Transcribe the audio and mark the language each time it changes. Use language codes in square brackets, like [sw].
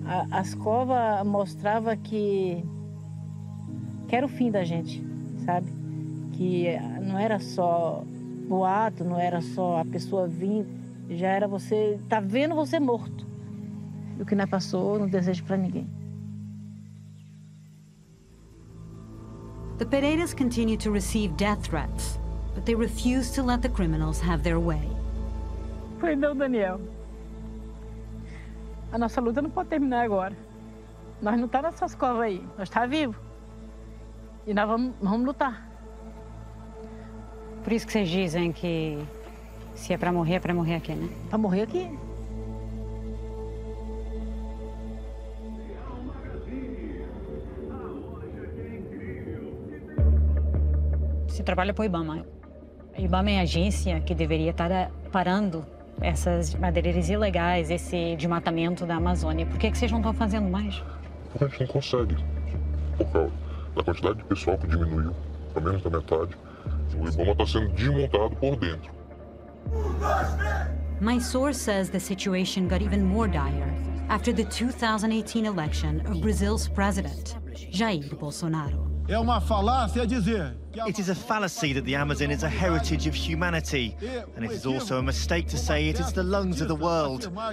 [pt] As covas mostravam que era o fim da gente, sabe? Que não era só boato, não era só a pessoa vir, já era você, tá vendo você morto. E o que não passou, não desejo pra ninguém. [en] The Pereiras continue to receive death threats, but they refuse to let the criminals have their way. [pt] Foi não, Daniel. A nossa luta não pode terminar agora. Nós não estamos nessas covas aí. Nós estamos vivos. E nós vamos lutar. Por isso que vocês dizem que se é para morrer, é para morrer aqui, né? Para morrer aqui. Vocês Você trabalha para o IBAMA. A IBAMA é a agência que deveria estar parando essas madeireiras ilegais, esse desmatamento da Amazônia. Por que é que vocês não estão fazendo mais? A gente não consegue. Por causa da quantidade de pessoal que diminuiu, pelo menos da metade, o IBAMA está sendo desmontado por dentro. [en] My source says the situation got even more dire after the 2018 election of Brazil's president, Jair Bolsonaro. [pt] É uma falácia dizer. [en] It is a fallacy that the Amazon is a heritage of humanity, and it is also a mistake to say it is the lungs of the world.